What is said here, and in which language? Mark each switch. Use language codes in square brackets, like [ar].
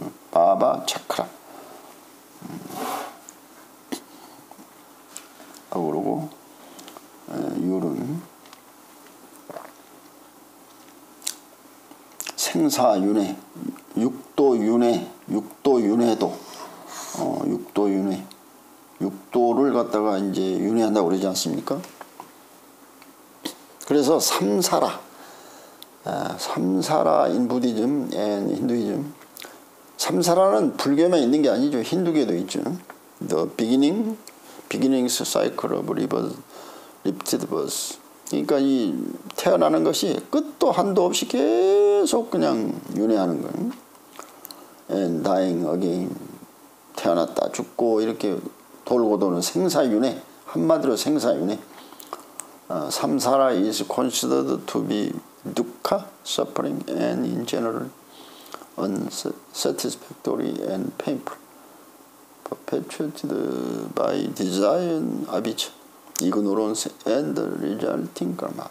[ko] 바바 차크라 그러고 유륜 생사 윤회 육도 윤회 육도 윤회도 육도 윤회 육도를 갖다가 이제 윤회한다고 그러지 않습니까? 그래서 삼사라 삼사라 [en] 인 부디즘 앤 힌두이즘 [ko] 삼사라는 불교만 있는 게 아니죠. 힌두교도 있죠. [en] The beginning, beginnings cycle of rebirth, repeated birth. [ko] 그러니까 이 태어나는 것이 끝도 한도 없이 계속 그냥 윤회하는 거예요. [en] And dying again. [ko] 태어났다 죽고 이렇게 돌고 도는 생사윤회. 한마디로 생사윤회. [en] 삼사라 is considered to be dukkha, suffering and in general. Unsatisfactory and painful, perpetuated by desire and avidya, ignorance and resulting karma.